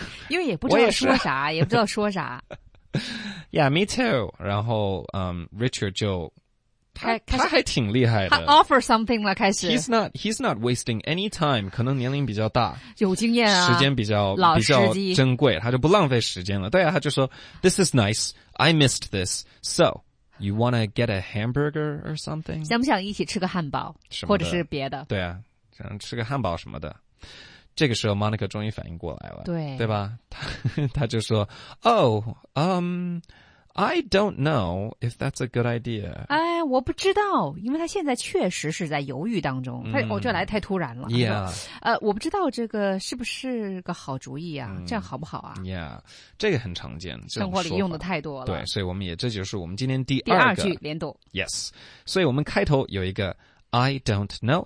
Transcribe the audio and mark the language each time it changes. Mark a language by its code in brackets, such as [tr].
[zh] 因为也不知道说啥也不知道说啥 [en] yeah me too [zh] 然后Richard 就他还挺厉害的。他 [en] offer something [zh] 了开始。 [en] He's not wasting any time, [zh] 可能年龄比较大。有经验啊。时间比较老时机比较珍贵他就不浪费时间了。对啊他就说 [en] ,this is nice, I missed this, so, you wanna get a hamburger or something? [zh] 想不想一起吃个汉堡什么或者是别的对啊想吃个汉堡什么的。这个时候 Monica 终于反应过来了。对。对吧他就说 [en] ,oh,I don't know if that's a good idea. [zh] 哎，我不知道，因为他现在确实是在犹豫当中。他，我这来太突然了。 [en] Yeah. [zh] 我不知道这个是不是个好主意啊？这样好不好啊？Yeah. 这个很常见，生活里用的太多了。对，所以我们也这就是我们今天第二句连读。 Yes. 所以我们开头有一个 [en] I don't know.